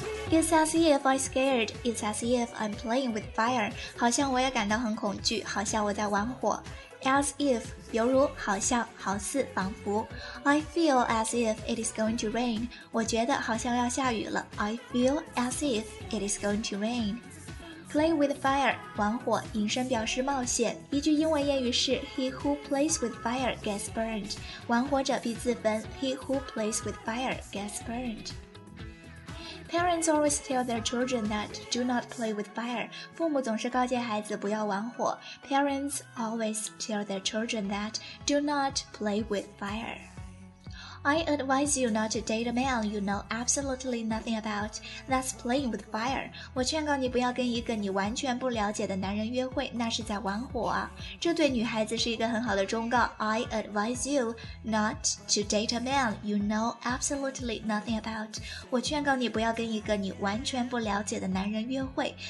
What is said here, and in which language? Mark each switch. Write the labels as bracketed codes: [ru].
[en] It's as if I'm scared. It's as if I'm playing with fire. [zh] 好像我也感到很恐惧，好像我在玩火。As if, 犹如，好像，好似，仿佛。 [en] I feel as if it is going to rain. [zh] 我觉得好像要下雨了。 [en] I feel as if it is going to rain. [zh] Play with fire, 玩火，隐身表示冒险。一句英文谚语是 [en] He who plays with fire gets burned. [zh] 玩火者必自焚。 [en] He who plays with fire gets burned. Parents always tell their children that do not play with fire. [zh] 父母总是告诫孩子不要玩火。 [en] Parents always tell their children that do not play with fire. I advise you not to date a man you know absolutely nothing about. That's playing with fire. [zh] 我劝告你不要跟一个你完全不了解的男人约会，那是在玩火啊。这对女孩子是一个很好的忠告。 [en] I advise you not to date a man you know absolutely nothing about. [zh] 我劝告你不要跟一个你完全不了解的男人约会。